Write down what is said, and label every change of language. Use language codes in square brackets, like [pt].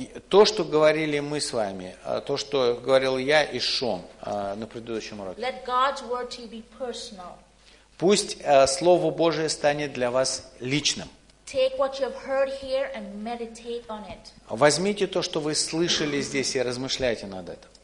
[ru] То, что говорили мы с вами, то, что говорил я и Шон на предыдущем уроке. [en] Let God's word to you be personal. [ru] Пусть Слово Божие станет для вас личным. [en] Take what you've heard here and meditate on it. [ru] Возьмите то, что вы слышали здесь, и размышляйте над этим.